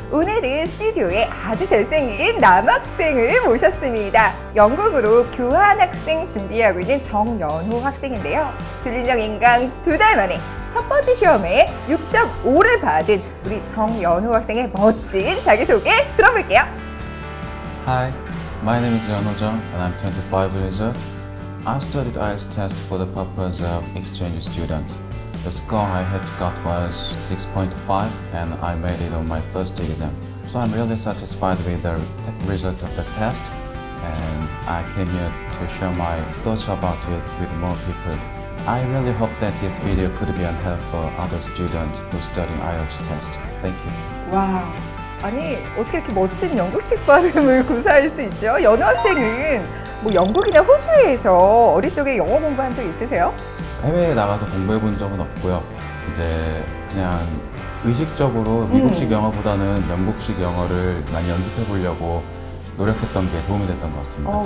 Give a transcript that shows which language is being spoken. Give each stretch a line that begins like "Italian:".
Korean: 오늘은 스튜디오에 아주 잘생긴 남학생을 모셨습니다. 영국으로 교환학생 준비하고 있는 정연호 학생인데요. 줄리정 인간 두 달 만에 첫 번째 시험에 6.5를 받은 우리 정연호 학생의 멋진 자기소개 들어볼게요.
English: Hi, my name is 연호정 and I'm 25 years old. I studied IELTS test for the purpose of exchange student. The score I had got was 6.5 and I made it on my first exam. So I'm really satisfied with the result of the test and I came here to share my thoughts about it with more people. I really hope that this video could be helpful for other students who study IELTS test. Thank you. Wow.
Korean: 아니, 어떻게 이렇게 멋진 영국식 발음을 구사할 수 있죠? 연우 학생은 뭐 영국이나 호주에서 어릴 적에 영어 공부한 적 있으세요? 해외에 나가서 공부해 본 적은 없고요. 이제 그냥 의식적으로 미국식 영어보다는 영국식 영어를 많이 연습해 보려고 노력했던 게 도움이 됐던 것 같습니다.